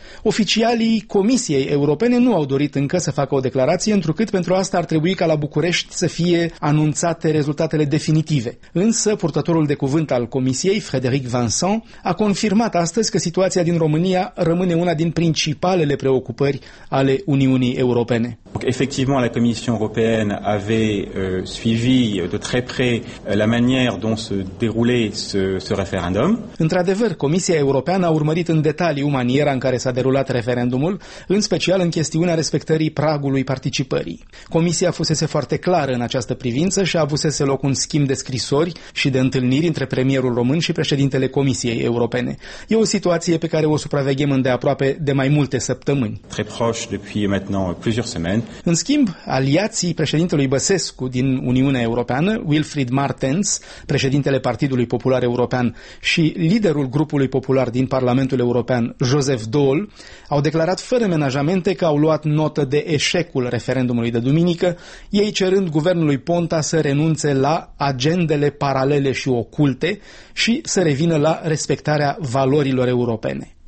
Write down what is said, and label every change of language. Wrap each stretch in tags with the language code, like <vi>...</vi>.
<ro>Oficialii Comisiei Europene nu au dorit încă să facă o declarație, întrucât pentru asta ar trebui ca la București să fie anunțate rezultatele definitive. Însă, purtătorul de cuvânt al Comisiei, Frédéric Vincent, a confirmat astăzi că situația din România rămâne una din principalele preocupări ale Uniunii Europene.</ro> <fr>Effectivement, la Commission européenne avait suivi de très près la manière dont se déroulait ce référendum.</fr> <ro>Într-adevăr, Comisia Europeană a urmărit în detaliu maniera în care s-a derulat referendumul, în special în chestiunea respectării pragului participării. Comisia fusese foarte clară în această privință și avusese loc un schimb de scrisori și de întâlniri între premierul român și președintele Comisiei Europene. E o situație pe care o supraveghem îndeaproape de mai multe săptămâni.</ro> <fr>Très proche depuis maintenant plusieurs semaines.</fr> <ro>În schimb, aliații președintelui Băsescu din Uniunea Europeană, Wilfried Martens, președintele Partidului Popular European și liderul grupului popular din Parlamentul European, Joseph Daul, au declarat fără menajamente că au luat notă de eșecul referendumului de duminică, ei cerând guvernului Ponta să renunțe la agendele paralele și oculte și să revină la respectarea valorilor europene.</ro>